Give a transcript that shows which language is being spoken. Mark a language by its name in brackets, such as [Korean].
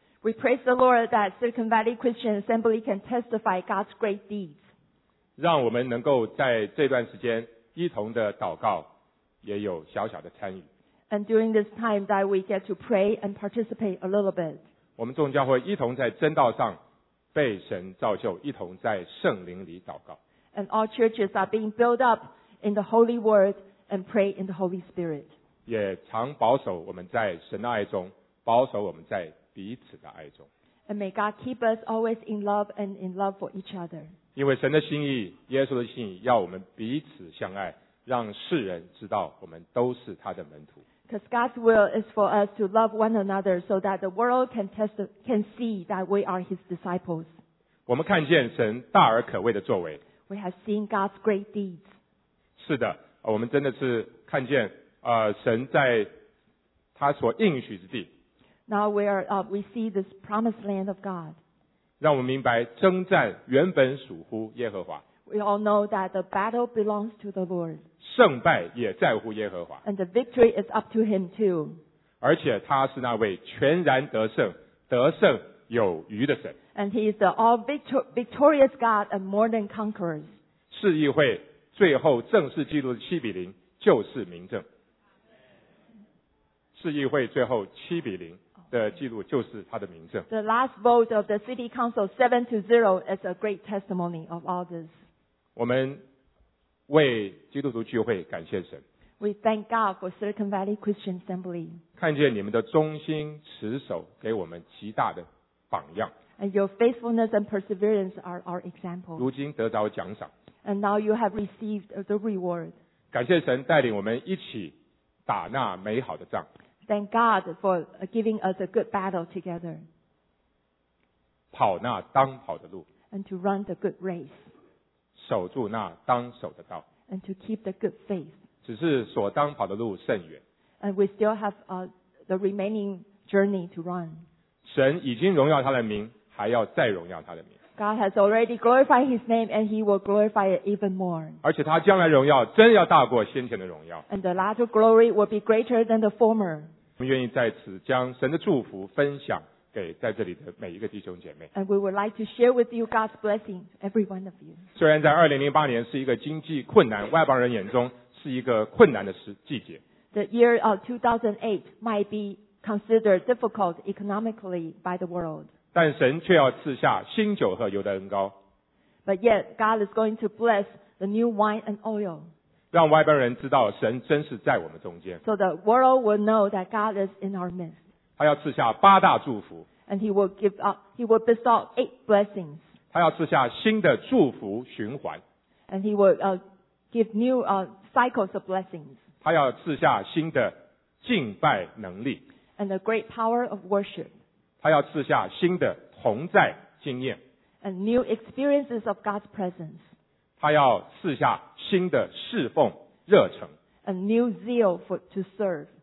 [English] We praise the Lord that Silicon Valley Christian Assembly can testify God's great deeds. [Chinese] 让我们能够在这段时间一同的祷告，也有小小的参与。 [English] And during this time that we get to pray and participate a little bit. [Chinese] 我们众教会一同在真道上被神造就，一同在圣灵里祷告。 [English] And all churches are being built up in the Holy Word and pray in the Holy Spirit. [Chinese] 也常保守我们在神的爱中，保守我们在彼此的爱中。 [English] And may God keep us always in love and in love for each other. [Chinese] 因为神的心意，耶稣的心意，要我们彼此相爱，让世人知道我们都是他的门徒。 [English] Because God's will is for us to love one another so that the world can see that we are His disciples. [Chinese] 我们看见神大而可畏的作为。 [English] We have seen God's great deeds. [Chinese] 是的，我们真的是看见神在他所应许之地。 [English] Now we see this promised land of God. [Chinese] 让我们明白征战原本属乎耶和华。 [English] We all know that the battle belongs to the Lord. [Chinese] 胜败也在乎耶和华。 [English] And the victory is up to Him too. [Chinese] 而且他是那位全然得胜、得胜有余的神。 [English] And he is the all victorious God and more than conquerors. [Chinese] 市议会最后正式记录的7-0就是明证。市议会最后7-0的记录就是他的明证。 [English] The last vote of the city council 7-0 is a great testimony of all this. [Chinese] 我们为基督徒聚会感谢神。 [English] We thank God for Silicon Valley Christian Assembly. [Chinese] 看见你们的忠心持守给我们极大的榜样。 [English] And your faithfulness and perseverance are our example. [Chinese] 如今得着奖赏。 [English] And now you have received the reward. [Chinese] 感谢神带领我们一起打那美好的仗。 [English] Thank God for giving us a good battle together. [Chinese] 跑那当跑的路。 [English] And to run the good race. [Chinese] 守住那当守的道。 [English] And to keep the good faith. [Chinese] 只是所当跑的路甚远。 [English] And we still have the remaining journey to run. [Chinese] 神已经荣耀他的名，还要再荣耀他的名。 [English] God has already glorified His name, and He will glorify it even more. [Chinese] 而且他将来荣耀真要大过先前的荣耀。 [English] And the latter glory will be greater than the former. [Chinese] 我们愿意在此将神的祝福分享给在这里的每一个弟兄姐妹。 [English] And we would like to share with you God's blessing, every one of you. [Chinese] 虽然在2008年是一个经济困难，外邦人眼中是一个困难的季节。 [English] The year of 2008 might be considered difficult economically by the world. [Chinese] 但神却要赐下新酒和油的恩膏。 [English] But yet God is going to bless the new wine and oil. [Chinese] 让外邦人知道神真是在我们中间。 [English] So the world will know that God is in our midst. [Chinese] 他要赐下八大祝福。 [English] And he will bestow 8 blessings. [Chinese] 他要赐下新的祝福循环。 [English] And he will give new cycles of blessings. [Chinese] 他要赐下新的敬拜能力。 [English] And the great power of worship. [Chinese] 他要赐下新的同在经验。 [English] And new experiences of God's presence. [Chinese] 他要赐下新的侍奉热忱。 [English] And new zeal to serve.